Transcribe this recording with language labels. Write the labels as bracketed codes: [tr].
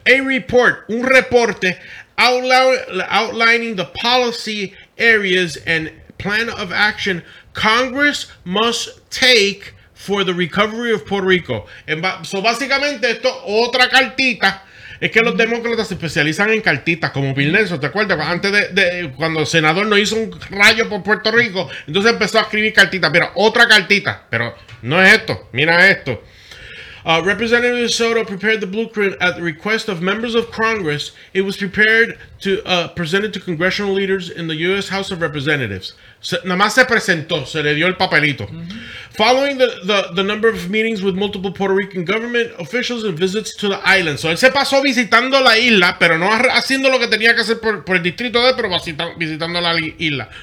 [es] Un reporte [en] outlining the policy areas and plan of action Congress must take for the recovery of Puerto Rico. [es] So, básicamente, esto otra cartita. Es que los demócratas se especializan en cartitas, como Bill Nelson, ¿te acuerdas? Antes de cuando el senador no hizo un rayo por Puerto Rico, entonces empezó a escribir cartitas. Mira, otra cartita, pero no es esto, mira esto. [en] Representative Soto prepared the blueprint at the request of members of Congress. It was prepared to presented to congressional leaders in the U.S. House of Representatives. [es] Nada más se presentó, se le dio el papelito. [en] Following the number of meetings with multiple Puerto Rican government officials and visits to the island. [es] So él se pasó visitando la isla, pero no haciendo lo que tenía que hacer por el distrito de él, pero visitando la isla.